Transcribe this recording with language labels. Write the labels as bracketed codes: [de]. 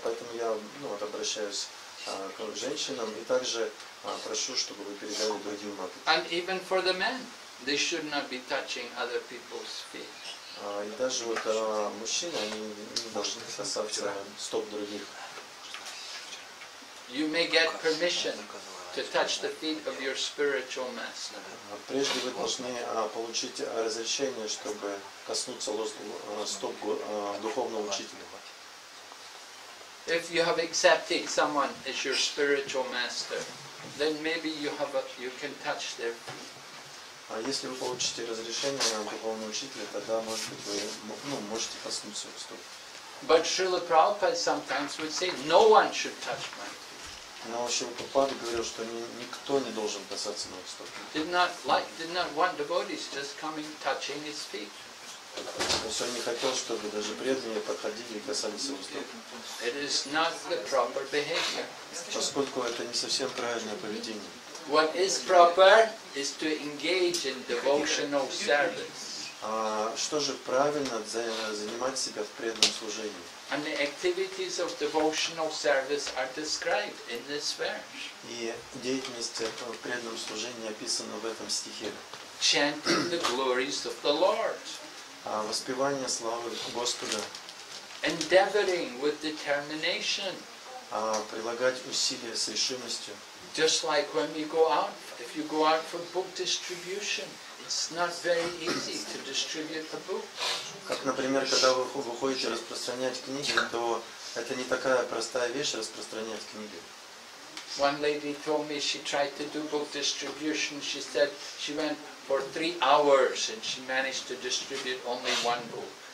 [ru] Поэтому я обращаюсь к женщинам и также прошу, чтобы вы передали другим матам. [en] And even for the men, they should not be touching other people's feet. [ru] И даже вот мужчины, они не должны касаться стоп других. [en] You may get permission to touch the feet of your spiritual master. [ru] Прежде вы должны получить разрешение, чтобы коснуться стоп духовного учителя. [en] If you have accepted someone as your spiritual master, then maybe you can touch their feet. [ru] А если вы получите разрешение от духовного учителя, тогда, может быть, вы можете коснуться их стоп. [en] But Srila Prabhupada sometimes would say, no one should touch my feet. [ru] Но Шрила Прабхупада говорил, что никто не должен касаться моих стоп. [en] Did not want devotees just coming touching his feet. [ru] Он не хотел, чтобы даже преданные подходили и касались его стоп. [en] It is not the proper behavior. [ru] Поскольку это не совсем правильное поведение. [en] What is proper is to engage in devotional service. [ru] А что же правильно занимать себя в преданном служении? [en] And the activities of devotional service are described in this verse. [ru] И деятельность в преданном служении описана в этом стихе. [en] Chanting the glories of the Lord. [ru] Воспевание славы Господа. [en] Endeavoring with determination. [ru] Прилагать усилия с решимостью. [en] Just like when we go out, if you go out for book distribution, it's not very easy to distribute the book. [ru] Как, например, когда вы выходите распространять книги, то это не такая простая вещь распространять книги. [en] One lady told me she tried to do book distribution. She said she went for 3 hours and she managed to distribute only one book.